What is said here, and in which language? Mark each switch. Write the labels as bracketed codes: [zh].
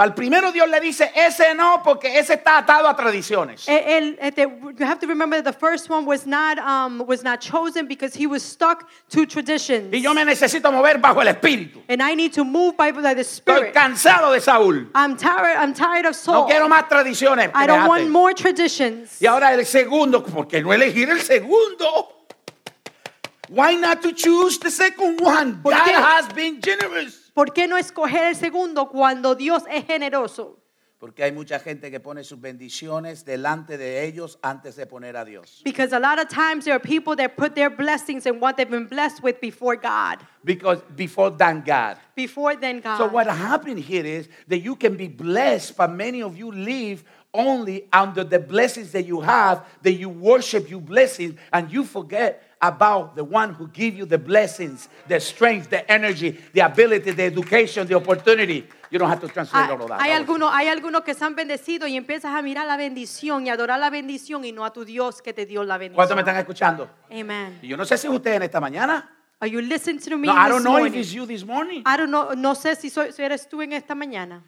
[es] Al primero Dios le dice ese no porque ese está atado a tradiciones. [en] You have to remember that the first one was not chosen because he was stuck to traditions. [es] Y yo me necesito mover bajo el Espíritu. [en] And I need to move by the Spirit. [es] Estoy cansado de Saúl. [en] I'm tired of Saul. [es] No quiero más tradiciones. [en] I don't want more traditions. [es] Y ahora el segundo, ¿por qué no elegir el segundo? [en] Why not to choose the second one? God has been generous. [es] ¿Por qué no escoger el segundo cuando Dios es generoso? Porque hay mucha gente que pone sus bendiciones delante de ellos antes de poner a Dios. [en] Because a lot of times there are people that put their blessings and what they've been blessed with before God. Because before than God. Before than God. So what happened here is that you can be blessed, but many of you live only under the blessings that you have, that you worship your blessings, and you forget about the one who give you the blessings, the strength, the energy, the ability, the education, the opportunity. You don't have to translate all of that. [es] Hay algunos que están bendecidos y empiezas a mirar la bendición y adorar la bendición y no a tu Dios que te dio la bendición. ¿Cuántos me están escuchando? Amen. Yo no sé si ustedes en esta mañana. [en] Are you listening to me? [es] No, [en] this I don't know morning. If it's you this morning. I don't know. [es] No sé si eres tú en esta mañana.